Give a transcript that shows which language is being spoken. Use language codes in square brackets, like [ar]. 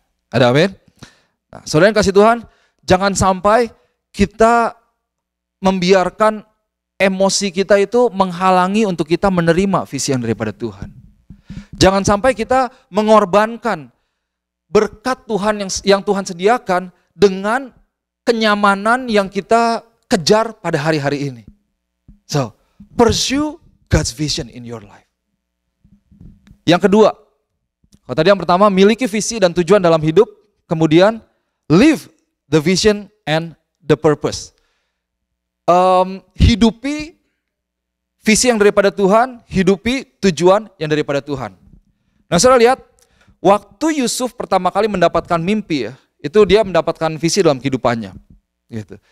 [id] Ada amin? Nah, saudara yang kasih Tuhan, jangan sampai kita membiarkan emosi kita itu menghalangi untuk kita menerima visi yang daripada Tuhan. Jangan sampai kita mengorbankan berkat Tuhan yang Tuhan sediakan dengan kenyamanan yang kita kejar pada hari-hari ini. [en] So, pursue God's vision in your life. [id] Yang kedua, Nah, tadi yang pertama, miliki visi dan tujuan dalam hidup. Kemudian, [en] live the vision and the purpose. [id] Hidupi visi yang daripada Tuhan, hidupi tujuan yang daripada Tuhan. Nah, saudara lihat, waktu Yusuf pertama kali mendapatkan mimpi, ya, itu dia mendapatkan visi dalam kehidupannya. Gitu.